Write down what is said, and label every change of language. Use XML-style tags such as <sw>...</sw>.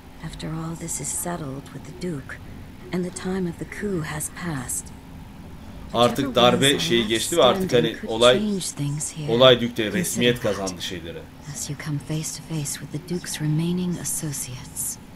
<en>After all this is settled with the Duke and the time of the coup has passed.</en> <tr>Artık darbe şeyi geçti ve artık hani olay Duke'de resmiyet kazandı şeyleri.</tr> <en>As you come face to face with the Duke's remaining associates.</en>